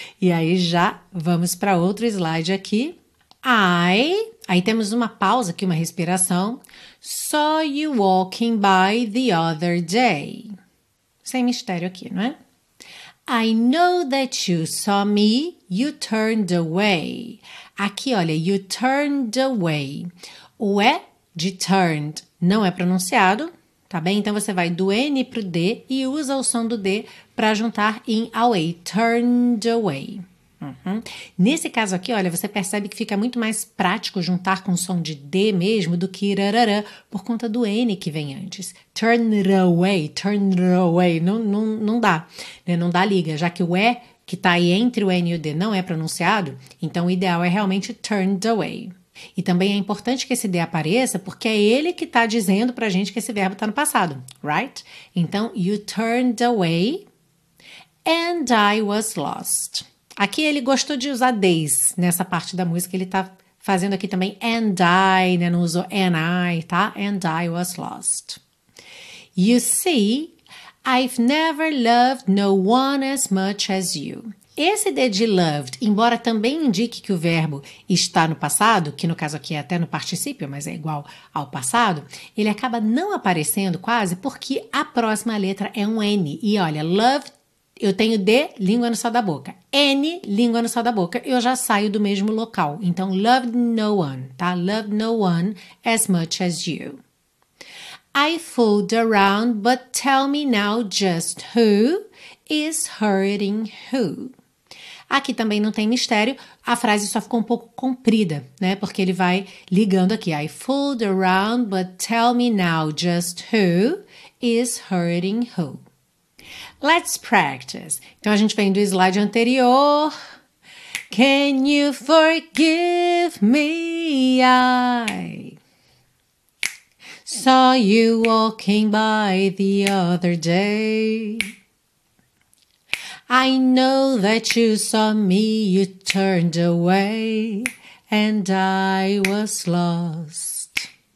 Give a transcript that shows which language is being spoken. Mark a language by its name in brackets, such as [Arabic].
[Portuguese] E aí já vamos para outro slide aqui. Aí temos uma pausa aqui, uma respiração. [English] Saw you walking by the other day. [Portuguese] Sem mistério aqui, não é? [English] I know that you saw me, you turned away. [Portuguese] Aqui, olha, [English] you turned away. [Portuguese] O E de turned não é pronunciado, tá bem? Então, você vai do N pro D e usa o som do D para juntar em away, turned away. Nesse caso aqui, olha, você percebe que fica muito mais prático juntar com o som de D mesmo do que irarará, por conta do N que vem antes. [English] Turn away, [Portuguese] não dá, né? Não dá liga, já que o E que está aí entre o N e o D não é pronunciado, então o ideal é realmente turned away. E também é importante que esse D apareça, porque é ele que está dizendo para a gente que esse verbo está no passado, [English] right? [Portuguese] Então, [English] you turned away and I was lost. [Portuguese] Aqui ele gostou de usar days nessa parte da música. Ele tá fazendo aqui também and I, né? Não usou and I, tá? [English] And I was lost. You see, I've never loved no one as much as you. [Portuguese] Esse D de loved, embora também indique que o verbo está no passado, que no caso aqui é até no particípio, mas é igual ao passado, ele acaba não aparecendo quase porque a próxima letra é um N. E olha, loved, eu tenho D, língua no céu da boca. N, língua no céu da boca, eu já saio do mesmo local. Então, [English] loved no one, tá? Loved no one as much as you. I fooled around, but tell me now just who is hurting who. [Portuguese] Aqui também não tem mistério, a frase só ficou um pouco comprida, né? Porque ele vai ligando aqui. [English] I fooled around, but tell me now just who is hurting who. Let's practice. [Portuguese] Então, a gente vem do slide anterior. [English] Can you forgive me? I saw you walking by the other day. I know that you saw me, you turned away, and I was lost.